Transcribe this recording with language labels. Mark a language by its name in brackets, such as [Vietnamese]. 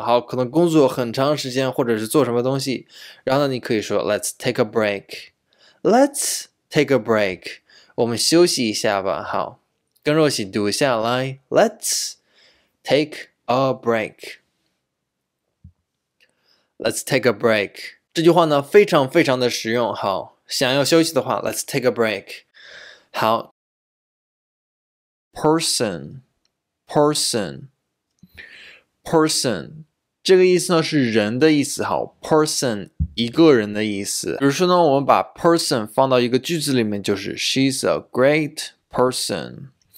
[Chinese] 好，可能工作很长时间，或者是做什么东西，然后呢，你可以说 [English] Let's take a break. Let's take a break. [Chinese] 我们休息一下吧。好，跟着一起读一下来。 [English] Let's take a break. Let's take a break. [Chinese] 这句话呢非常非常的实用。好，想要休息的话 [English] Let's take a break. [Chinese] 好， Person 这个意思呢是人的意思。好， Person 一个人的意思。比如说呢，我们把 person 放到一个句子里面，就是 [English] She's a great person.